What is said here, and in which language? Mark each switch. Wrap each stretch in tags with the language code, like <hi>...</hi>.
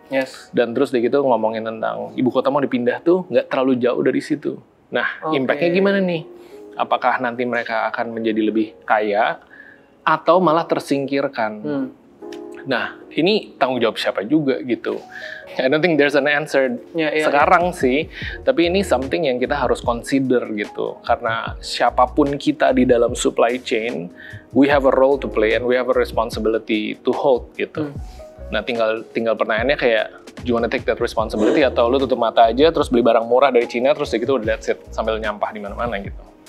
<en>Yes.</en> <id>Dan terus udah gitu ngomongin tentang ibu kota mau dipindah tuh nggak terlalu jauh dari situ. Nah, okay, impactnya gimana nih? Apakah nanti mereka akan menjadi lebih kaya? Atau malah tersingkirkan. Hmm. Nah, ini tanggung jawab siapa juga gitu.</id> <en>I don't think there's an answer</en> <id>sekarang sih. Tapi ini something yang kita harus consider gitu. Karena siapapun kita di dalam</id> <en>supply chain, we have a role to play and we have a responsibility to hold</en> <id>gitu.</id> <en>Hmm.</en> <id>Nah, tinggal pertanyaannya kayak,</id> <en>do you wanna take that responsibility?</en> <id>Atau lu tutup mata aja, terus beli barang murah dari China, terus gitu udah</id> <en>that's it,</en> <id>sambil nyampah di mana-mana gitu.</id>